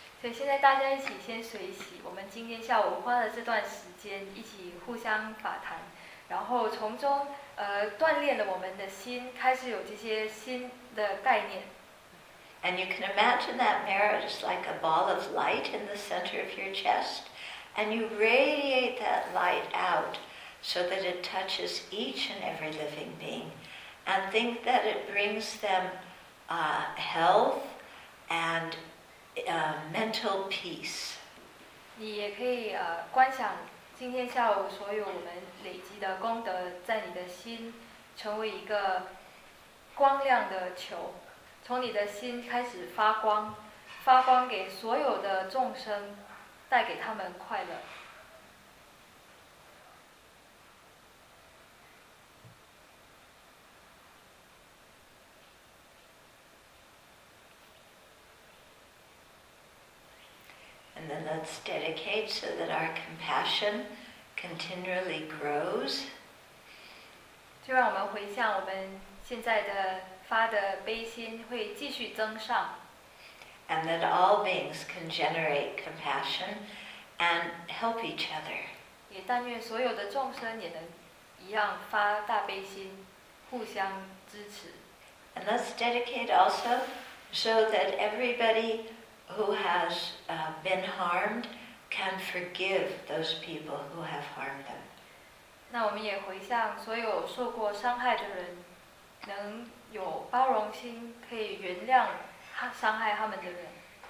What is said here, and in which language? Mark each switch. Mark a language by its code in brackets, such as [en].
[zh] 所以现在大家一起先随喜。我们今天下午花了这段时间一起互相法谈，然后从中锻炼了我们的心，开始有这些新的概念。 [en] And you can imagine that merit is like a ball of light in the center of your chest. And you radiate that light out so that it touches each and every living being. And think that it brings them health and mental peace. [zh] 你也可以观想今天下午所有我们累积的功德在你的心成为一个光亮的球。从你的心开始发光，发光给所有的众生，带给他们快乐。 [en] And then let's dedicate so that our compassion continually grows. [zh] 就让我们回向我们现在的。发的悲心会继续增上。 [en] And that all beings can generate compassion and help each other. [zh] 也但愿所有的众生也能一样发大悲心，互相支持。 [en] And let's dedicate also so that everybody who has been harmed can forgive those people who have harmed them. [zh] 那我们也回向所有受过伤害的人能有包容心，可以原谅伤害他们的人。